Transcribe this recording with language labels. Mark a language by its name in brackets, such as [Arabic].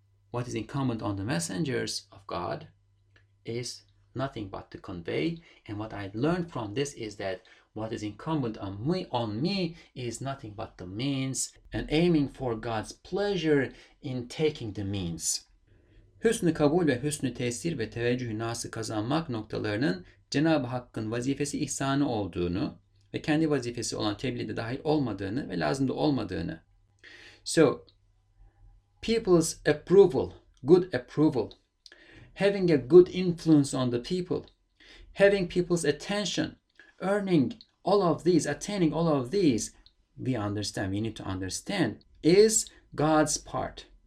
[English] What is incumbent on the messengers of God is nothing but to convey. And what I learned from this is that what is incumbent on me is nothing but the means, and aiming for God's pleasure in taking the means. [Turkish] Hüsnü kabul ve hüsnü tesir ve teveccühü nası kazanmak noktalarının Cenab-ı Hakk'ın vazifesi ihsanı olduğunu ve kendi vazifesi olan tebliğde dahil olmadığını ve lazım da olmadığını. [English] So, people's approval, good approval, having a good influence on the people, having people's attention, earning all of these, attaining all of these, we need to understand, is God's part.